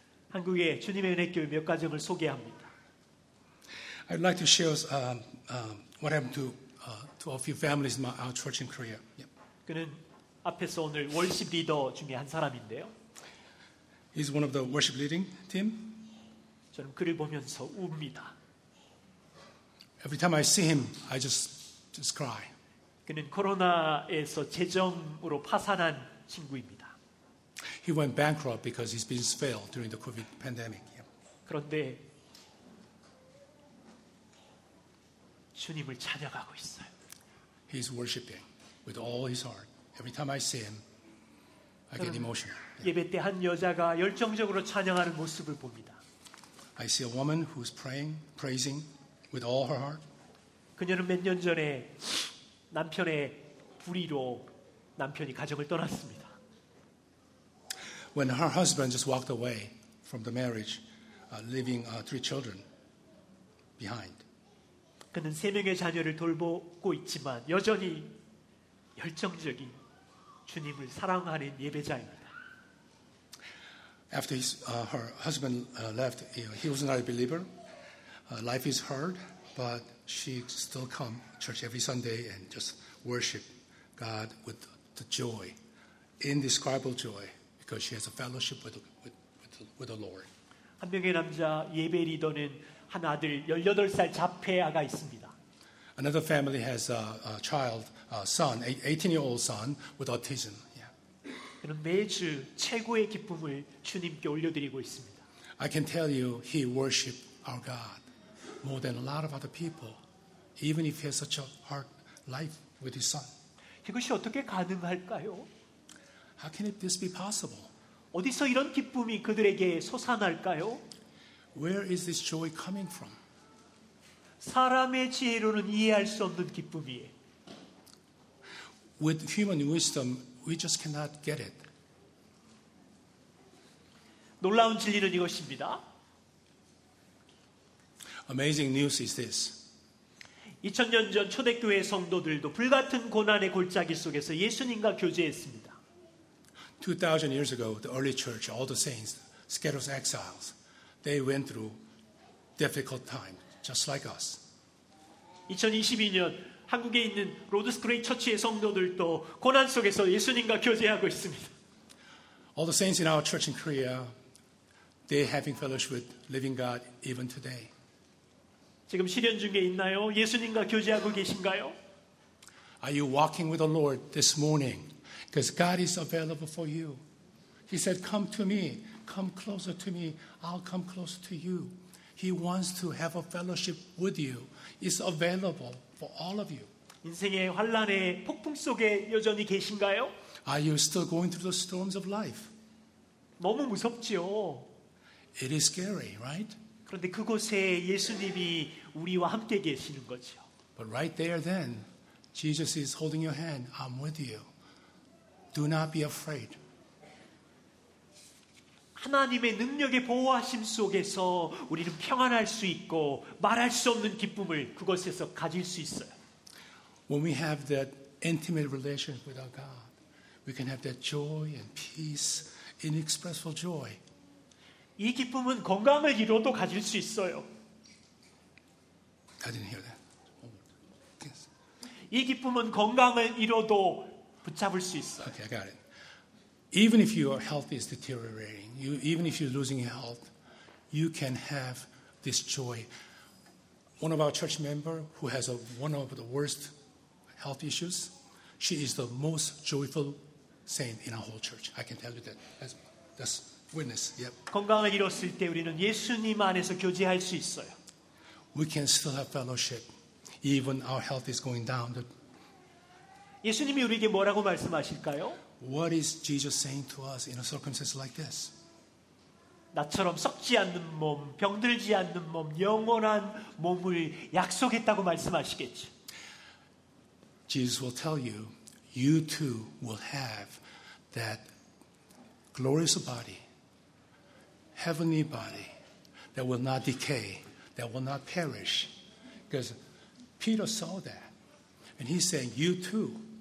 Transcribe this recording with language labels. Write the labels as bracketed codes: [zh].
[ko] 한국의 주님의 은혜 교회 몇 가정을 소개합니다. [en] I'd like to share what happened to a few families in our church in Korea. Yep. [ko] 그는 앞에서 오늘 월십 리더 중에 한 사람인데요. [en] He's one of the worship leading team. [ko] 저는 그를 보면서 웁니다. [en] Every time I see him, I just cry. [ko] 그는 코로나에서 재정으로 파산한 친구입니다. [en] He went bankrupt because his business failed during the COVID pandemic. Yep. [ko] 그런데 주님을 찬양하고 있어요. [en] He's worshiping with all his heart. Every time I see him, I get emotional. [ko] 예배 때 한 여자가 열정적으로 찬양하는 모습을 봅니다. [en] I see a woman who's praying, praising with all her heart. [ko] 그녀는 몇 년 전에 남편의 불의로 남편이 가정을 떠났습니다. [en] When her husband just walked away from the marriage, leaving three children behind. [ko] 그는 세 명의 자녀를 돌보고 있지만 여전히 열정적인 주님을 사랑하는 예배자입니다. [en] After her husband left, he was not a believer. Life is hard, but she still come to church every Sunday and just worship God with the joy, indescribable joy, because she has a fellowship with the Lord. [ko] 한 명의 남자 예배 리더는 한 아들 18살 자폐아가 있습니다. [en] Another family has a child, a son, 18-year-old son with autism. Yeah. [ko] 그는 매주 최고의 기쁨을 주님께 올려드리고 있습니다. [en] I can tell you he worships our God more than a lot of other people, even if he has such a hard life with his son. [ko] 이것이 어떻게 가능할까요? [en] How can this be possible? [ko] 어디서 이런 기쁨이 그들에게 솟아날까요? [en] Where is this joy coming from? [ko] 사람의 지혜로는 이해할 수 없는 기쁨이에요. [en] With human wisdom, we just cannot get it. [ko] 놀라운 진리는 이것입니다. [en] Amazing news is this. [ko] 2000년 전 초대교회 성도들도 불같은 고난의 골짜기 속에서 예수님과 교제했습니다. [en] 2000 years ago, the early church, all the saints, scattered exiles, they went through difficult times. Just like us. [ko] 2022년 한국에 있는 로드스 그레이 처치의 성도들도 고난 속에서 예수님과 교제하고 있습니다. [en] All the saints in our church in Korea, they having fellowship with living God even today. [ko] 지금 시련 중에 있나요? 예수님과 교제하고 계신가요? [en] Are you walking with the Lord this morning? Because God is available for you. He said, "Come to me. Come closer to me. I'll come closer to you." He wants to have a fellowship with you. It's available for all of you. [ko] 인생의 환난의 폭풍 속에 여전히 계신가요? [en] Are you still going through the storms of life? [ko] 너무 무섭지요. [en] It is scary, right? [ko] 그런데 그곳에 예수님이 우리와 함께 계시는 거죠. [en] But right there then, Jesus is holding your hand. I'm with you. Do not be afraid. [ko] 하나님의 능력의 보호하심 속에서 우리는 평안할 수 있고 말할 수 없는 기쁨을 그곳에서 가질 수 있어요. [en] When we have that intimate relationship with our God, we can have that joy and peace, inexpressible joy. [ko] 이 기쁨은 건강을 잃어도 가질 수 있어요. [en] I didn't hear that. [ko] Yes. 이 기쁨은 건강을 잃어도 붙잡을 수 있어요. [en] Okay, I got it. Even if your health is deteriorating, you, even if you're losing your health, you can have this joy. One of our church members who has a, one of the worst health issues, she is the most joyful saint in our whole church. I can tell you that. That's witness. Yep. [ko] 건강을 잃었을 때 우리는 예수님 안에서 교제할 수 있어요. [en] We can still have fellowship even our health is going down. [ko] 예수님이 우리에게 뭐라고 말씀하실까요? [en] What is Jesus saying to us in a circumstance like this? [ko] 나처럼 썩지 않는 몸, 병들지 않는 몸, 영원한 몸을 약속했다고 말씀하시겠지. [en] Jesus will tell you, you too will have that glorious body, heavenly body that will not decay, that will not perish. Because Peter saw that. And he's saying, you too.